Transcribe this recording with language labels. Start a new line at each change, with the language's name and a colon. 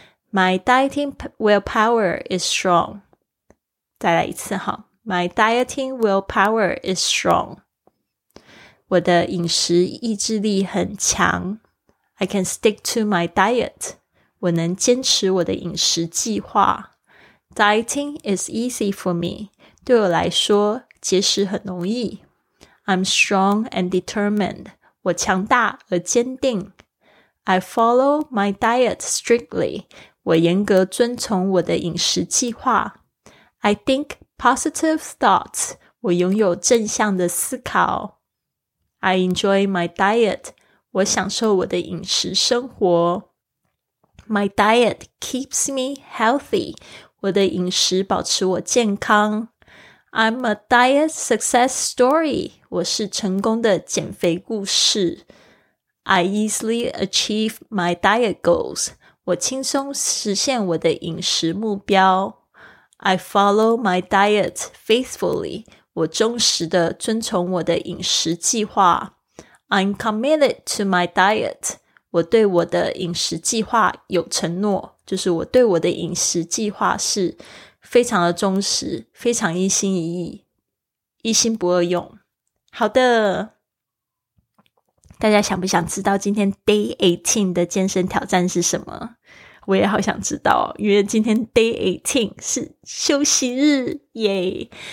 English: My dieting willpower is strong
Chinese: 再来一次哈
English: My dieting willpower is strong
Chinese: 我的饮食意志力很强
English: I can stick to my diet
Chinese: 我能坚持我的饮食计划
English: Dieting is easy for me.
Chinese: 对我来说，节食很容易。
English: I'm strong and determined.
Chinese: 我强大而坚定。
English: I follow my diet strictly.
Chinese: 我严格遵从我的饮食计划。
English: I think positive thoughts.
Chinese: 我拥有正向的思考。
English: I enjoy my diet.
Chinese: 我享受我的饮食生活。
English: My diet keeps me healthy.
Chinese: 我的饮食保持我健康。
English: I'm a diet success story.
Chinese: 我是成功的减肥故事。
English: I easily achieve my diet goals.
Chinese: 我轻松实现我的饮食目标。
English: I follow my diet faithfully.
Chinese: 我忠实地遵从我的饮食计划。
English: I'm committed to my diet.
Chinese: 我对我的饮食计划有承诺。就是我对我的饮食计划是非常的忠实非常一心一意一心不二用好的大家想不想知道今天 Day 18 的健身挑战是什么我也好想知道因为今天 Day 18 是休息日耶